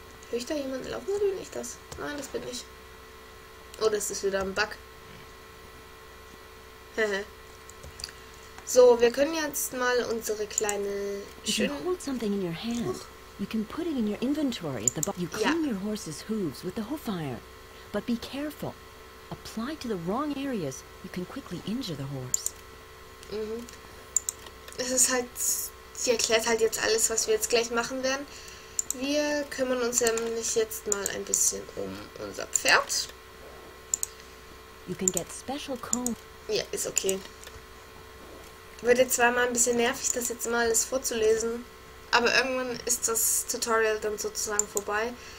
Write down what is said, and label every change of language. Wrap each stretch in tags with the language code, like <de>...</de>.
<de>Höre ich da jemanden laufen oder bin ich das? Nein, das bin ich. Oh, das ist wieder ein Bug. So, wir können jetzt mal unsere kleine schön</de> <en>hold something in your hand. You can put it in your inventory at the bottom. You clean your horse's hooves with the hoof iron. But be careful. Apply to the wrong areas, you can quickly injure the horse.</en> <de>Es ist halt, sie erklärt halt jetzt alles, was wir jetzt gleich machen werden. Wir kümmern uns nämlich jetzt mal ein bisschen um unser Pferd.</de> <en>You can get special comb.</en> <de>Ja, ist okay. Wird jetzt zweimal ein bisschen nervig, das jetzt mal alles vorzulesen. Aber irgendwann ist das Tutorial dann sozusagen vorbei.</de>